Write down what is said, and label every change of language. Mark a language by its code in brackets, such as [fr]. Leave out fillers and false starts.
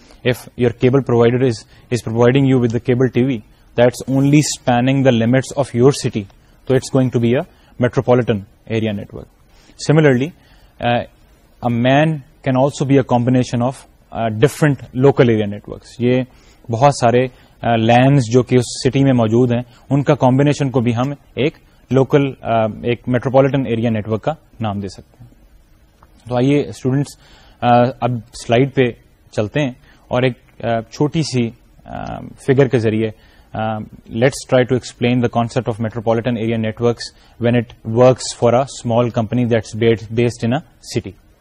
[en] If your cable provider is providing you with the cable TV, that's only spanning the limits of your city. So, it's going to be a metropolitan area network. Similarly, a MAN can also be a combination of different local area networks. [ur] یہ بہت سارے lands جو کہ اس city میں موجود ہیں ان کا combination کو بھی ہم ایک لوکل ایک میٹروپالیٹن ایریا نیٹورک کا نام دے سکتے ہیں. تو آئیے اسٹوڈینٹس اب سلائڈ پہ چلتے ہیں اور ایک چھوٹی سی فگر کے ذریعے [en] let's try to explain the concept of metropolitan area networks when it works for a small company that's based in a city.